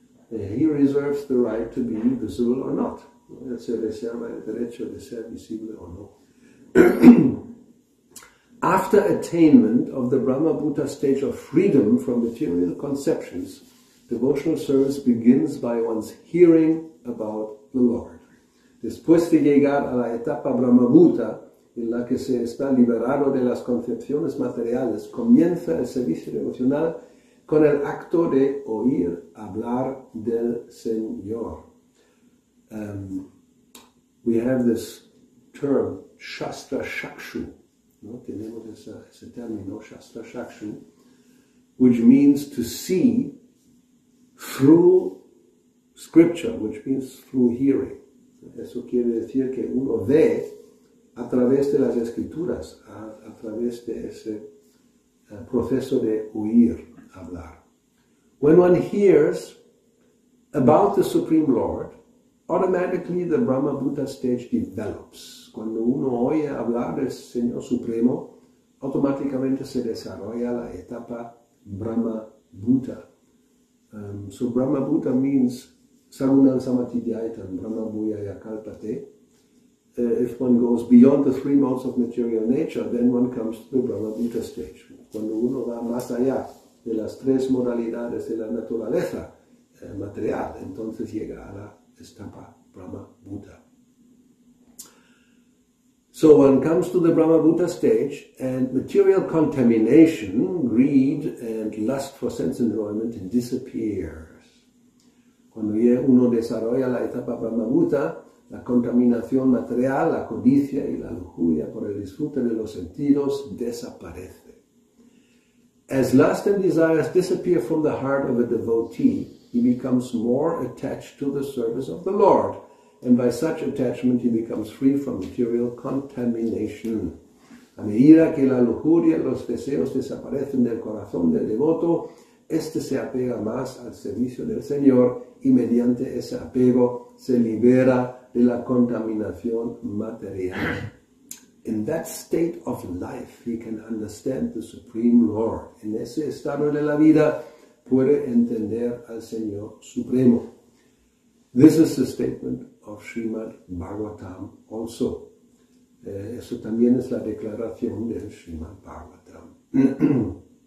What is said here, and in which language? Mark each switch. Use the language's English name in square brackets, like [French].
[English] He reserves the right to be visible or not. [Spanish] ¿No? Él se reserva el derecho de ser visible o no. [English] After attainment of the Brahma-Bhuta stage of freedom from material conceptions, devotional service begins by one's hearing about the Lord. [Spanish] Después de llegar a la etapa Brahma-Bhuta, en la que se está liberado de las concepciones materiales, comienza el servicio devocional con el acto de oír hablar del Señor. [English] We have this term, Shastra-Shakshu. [Spanish] ¿No? Tenemos ese término, [English] Shastra-Shakshu, which means to see through scripture, which means through hearing. [Spanish] Eso quiere decir que uno ve a través de las escrituras, a través de ese proceso de oír hablar. [English] When one hears about the Supreme Lord, automatically the Brahma-Bhuta stage develops. [Spanish] Cuando uno oye hablar del Señor Supremo, automáticamente se desarrolla la etapa Brahma-Bhuta. [English] So Brahma Bhuta means [Sanskrit] Sarunam Samatidyayatam, Brahma Bhuyaya Kalpate. [English] If one goes beyond the three modes of material nature, then one comes to the Brahma Bhuta stage. [Spanish] Cuando uno va más allá de las tres modalidades de la naturaleza material, entonces llega a la etapa Brahma Bhuta. [English] So one comes to the Brahma-Bhuta stage and material contamination, greed and lust for sense enjoyment disappears. [Spanish] Cuando uno desarrolla la etapa Brahma-Bhuta, la contaminación material, la codicia y la lujuria por el disfrute de los sentidos desaparece. [English] As lust and desires disappear from the heart of a devotee, he becomes more attached to the service of the Lord. And by such attachment he becomes free from material contamination. [Spanish] A medida que la lujuria, los deseos desaparecen del corazón del devoto, este se apega más al servicio del Señor y mediante ese apego se libera de la contaminación material. [English] In that state of life he can understand the Supreme Lord. [Spanish] En ese estado de la vida puede entender al Señor Supremo. [English] This is the statement of Srimad Bhagavatam also. [Spanish] Eso también es la declaración de Srimad Bhagavatam.